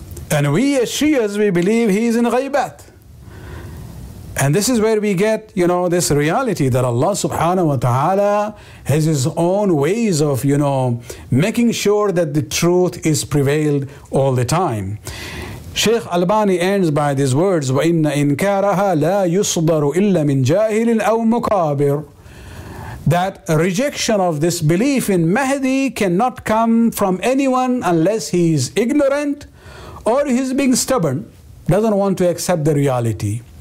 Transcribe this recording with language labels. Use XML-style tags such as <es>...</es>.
<en>And we as Shias, we believe he is in Ghaybat. And this is where we get, you know, this reality that Allah subhanahu wa ta'ala has his own ways of, you know, making sure that the truth is prevailed all the time. Sheikh Albani ends by these words,</en> <ar>وَإِنَّ إِنْكَارَهَا لَا يُصْدَرُ إِلَّا مِنْ جَاهِلٍ أَوْ مُكَابِرٍ.</ar> <en>That rejection of this belief in Mahdi cannot come from anyone unless he is ignorant or he's being stubborn, doesn't want to accept the reality.</en>